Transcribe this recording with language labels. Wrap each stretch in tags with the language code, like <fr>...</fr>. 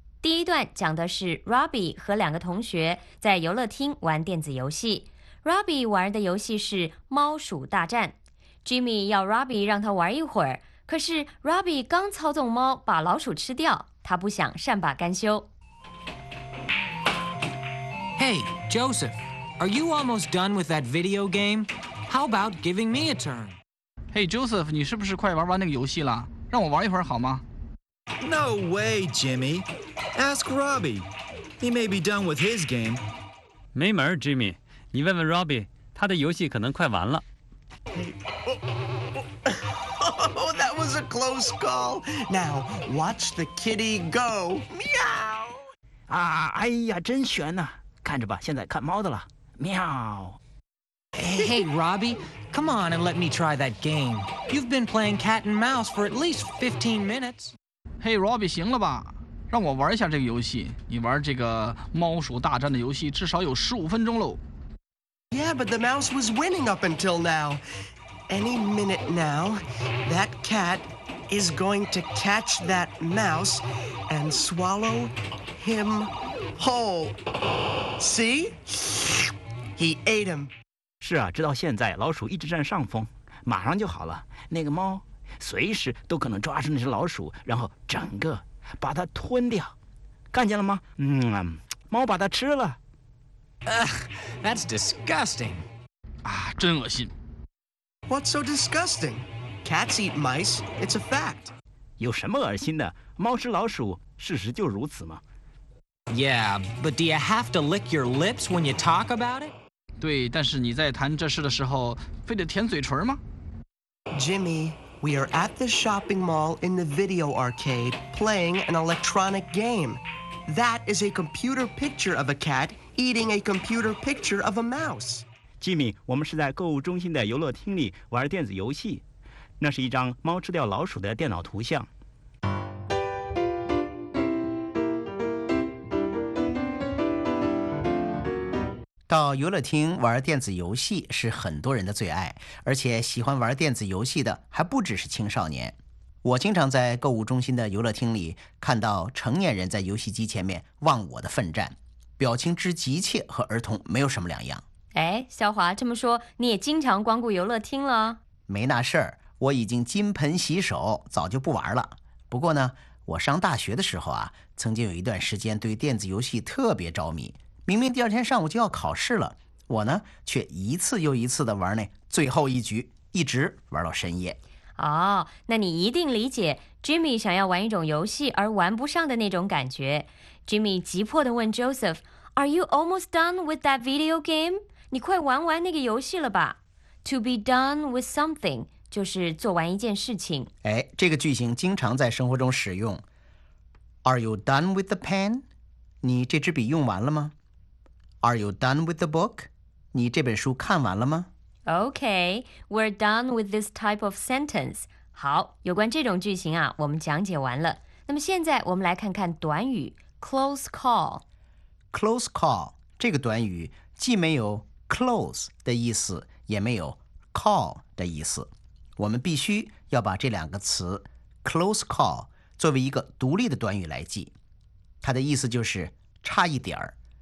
<zh>第一段讲的是 Robbie 和两个同学在游乐厅玩电子游戏。 Robbie 玩的游戏是猫鼠大战。Jimmy 要 Robbie 让他玩一会儿，可是 Robbie 刚操纵猫把老鼠吃掉，他不想善罢甘休。</zh> <en>Hey, Joseph, are you almost done with that video game? How about giving me a turn? Hey, Joseph,</en> <zh>你是不是快玩完那个游戏了？让我玩一会儿好吗？</zh> <en>No way, Jimmy. Ask Robbie. He may be done with his game.</en> <zh>没门 Jimmy. 你问问 Robbie, 他的游戏可能快完了。</zh> <en>Oh, that was a close call. Now, watch the kitty go. Meow!</en> <zh>啊，哎呀，真悬呐。看着吧，现在看猫的了。Meow!</zh> <en>Hey, Robbie, come on and let me try that game. You've been playing cat and mouse for at least 15 minutes. Hey, Robbie,</en> <zh>行了吧？让我玩一下这个游戏。你玩这个猫鼠大战的游戏至少有15分钟喽。</zh> <en>Yeah, but the mouse was winning up until now. Any minute now, that cat is going to catch that mouse and swallow him whole. See? He ate him.</en> <zh>是啊，直到现在老鼠一直占上风，马上就好了。那个猫随时都可能抓住那只老鼠，然后整个把它吞掉，看见了吗？嗯，猫把它吃了。</zh> <en>That's disgusting.</en> <zh>啊，真恶心。</zh> <en>What's so disgusting? Cats eat mice. It's a fact.</en> <zh>有什么恶心的？猫吃老鼠，事实就如此嘛。</zh> <en>Yeah, but do you have to lick your lips when you talk about it?</en> <zh>对，但是你在谈这事的时候，非得舔嘴唇吗</zh> <en>？Jimmy, we are at the shopping mall in the video arcade playing an electronic game. That is a computer picture of a cat eating a computer picture of a mouse.</en> <zh>Jimmy, 我们是在购物中心的游乐厅里玩电子游戏，那是一张猫吃掉老鼠的电脑图像。到游乐厅玩电子游戏是很多人的最爱，而且喜欢玩电子游戏的还不只是青少年。我经常在购物中心的游乐厅里看到成年人在游戏机前面忘我的奋战，表情之急切和儿童没有什么两样。哎，肖华，这么说你也经常光顾游乐厅了？没那事儿，我已经金盆洗手，早就不玩了。不过呢，我上大学的时候啊，曾经有一段时间对电子游戏特别着迷，明明第二天上午就要考试了，我呢却一次又一次的玩那最后一局，一直玩到深夜。哦，那你一定理解 Jimmy 想要玩一种游戏而玩不上的那种感觉。</zh> <en>Jimmy</en> <zh>急迫地问</zh> <en>Joseph, Are you almost done with that video game?</en> <zh>你快玩完那个游戏了吧 ？</zh> <en>To be done with something</en> <zh>就是做完一件事情。哎，这个句型经常在生活中使用。</zh> <en>Are you done with the pen?</en> <zh>你这支笔用完了吗？</zh> <en>Are you done with the book?</en> <zh>你这本书看完了吗</zh> <en>？Okay, we're done with this type of sentence.</en> <zh>好，有关这种句型啊，我们讲解完了。那么现在我们来看看短语 close call。 Close call 这个短语既没有 close 的意思，也没有 call 的意思。我们必须要把这两个词 close call 作为一个独立的短语来记，它的意思就是差一点儿。</zh>